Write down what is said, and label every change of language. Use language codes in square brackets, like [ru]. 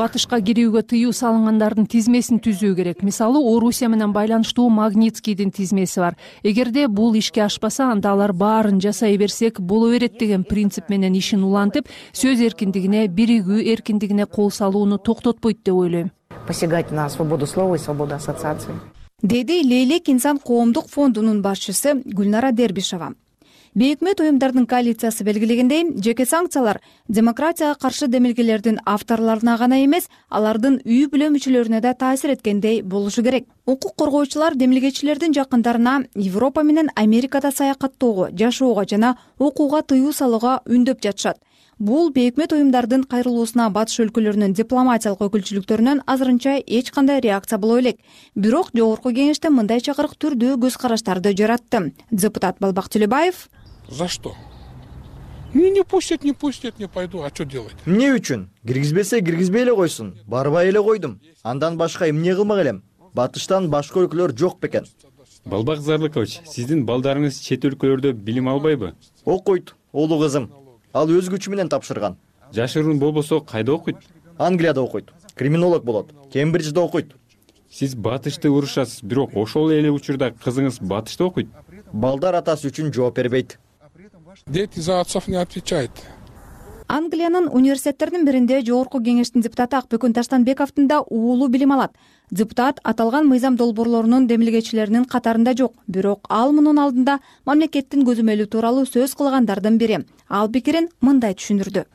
[ky] Батышка кирүүгө тыюу салынгандардын тизмесин түзүү керек. Мисалы, Орусия менен байланыштуу Магнитскийдин тизмеси бар. Эгерде бул ишке ашпаса, анда алар баарын жасай берсек боло берет деген принцип менен ишин улантып, сөз эркиндигине, биригүү эркиндигине кол салууну токтотпойт деп ойлойм. [ru] Посягать на свободу слова и свободу ассоциации. [ky] Деди Лейлек Инсан коомдук фондунун башчысы Гүлнара Дербишева. Бейкмет уюмдардын коалициясы белгилегендей, жеке санкциялар демократияга каршы демилгелердин авторларына гана эмес, алардын үй бүлө мүчөлөрүнө да таасир эткендей болушу керек. Укук коргоочулар демилгечилердин жакындарына Европа менен Америкада саякаттоого, жашоого жана окууга тыюу салууга үндөп жатышат. Бул бейкмет уюмдардын кайрылуусуна батыш өлкөлөрүнүн дипломатиялык өкүлчүлүктөрүнөн азырынча эч кандай реакция боло элек. Бирок жогорку кеңеште мындай чакырык түрдүү көз караштарды жаратты. Депутат Балбак Түлөбаев: [ru] За что? Не, не пустят, не пустят, не пойду. А что делать? [ky] Эмне үчүн? Киргизбесе киргизбей эле койсун. Барбай эле койдум. Андан башка эмне кылмак элем? Батыштан башка өлкөлөр жок бекен. Балбак Зарлыкович, сиздин балдарыңыз чет өлкөлөрдө билим албайбы? Окуйт, уулу кызым. Ал өз күчү менен тапшырган. Жашыруун болбосо кайда окуйт? Англияда окуйт. Криминолог болот. Кембриджде окуйт. Сиз батышты урушасыз, бирок ошол эле учурда кызыңыз батышты окуйт. Балдар атасы үчүн жооп бербейт. [ru] Дети за отцов не отвечают. [ky] Англиянын университеттеринин биринде жогорку кеңештин депутаты Акбөкөн Таштанбековдун да уулу билим алат. Депутат аталган мыйзам долбоорлорунун демилгечилеринин катарында жок, бирок ал мунун алдында мамлекеттин көзөмөлү тууралуу сөз кылгандардын бири. Ал пикирин мындай түшүндүрдү.